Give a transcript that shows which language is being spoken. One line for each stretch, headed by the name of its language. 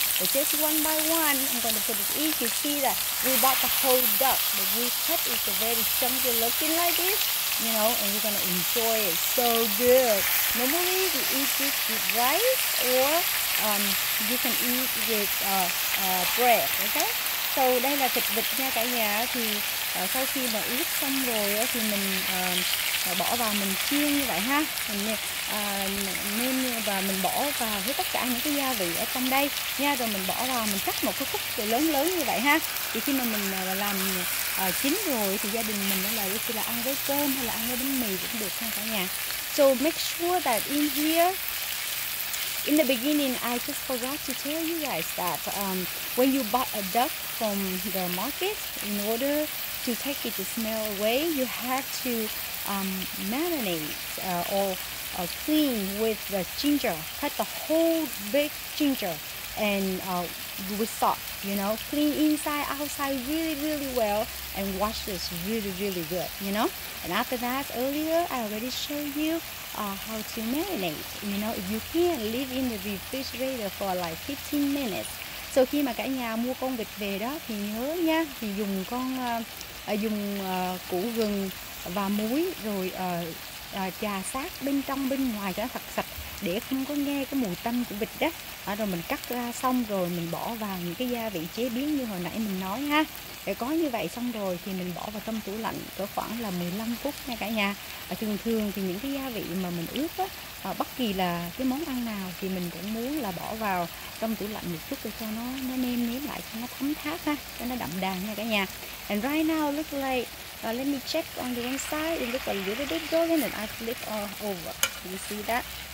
English: But just one by one, I'm gonna put it in. You see that we bought the whole duck, but we cut it very chunky looking like this. You know, and you're gonna enjoy it so good. Normally you eat this with rice, or you can eat with bread, okay?
Vietnamese: So đây là thịt vịt nha cả nhà. Thì sau khi mà ướp xong rồi thì mình bỏ vào mình chiên như vậy ha. Mình nêm và mình bỏ vào hết tất cả những cái gia vị ở trong đây nha. Rồi mình bỏ vào mình cắt một cái khúc lớn lớn như vậy ha. Thì khi mà mình làm chín rồi thì gia đình mình là có thể là ăn với cơm hay là ăn với bánh mì cũng được ha cả nhà.
English: So make sure that in here, in the beginning, I just forgot to tell you guys that when you bought a duck from the market, in order to take it to smell away, you have to marinate or clean with the ginger. Cut the whole big ginger and with salt, you know. Clean inside, outside really, really well and wash this really, really good, you know. And after that, earlier, I already showed you how to marinate. You know, if you can, leave in the refrigerator for like 15 minutes.
Vietnamese: So khi mà cả nhà mua con vịt về đó thì nhớ nha, thì dùng con củ gừng và muối rồi trà sát bên trong bên ngoài cho nó thật sạch, để không có nghe cái mùi tanh của vịt đó. À, rồi mình cắt ra xong rồi mình bỏ vào những cái gia vị chế biến như hồi nãy mình nói ha. Để có như vậy xong rồi thì mình bỏ vào trong tủ lạnh cỡ khoảng là 15 phút nha cả nhà. À, thường thường thì những cái gia vị mà mình ướp á, à, bất kỳ là cái món ăn nào thì mình cũng muốn là bỏ vào trong tủ lạnh một chút để cho nó nêm nếm lại, cho nó thấm thát ha, cho nó đậm đà nha cả nhà.
English: And right now look like, let me check on the inside, it looks a little bit golden and I flip all over. You see that?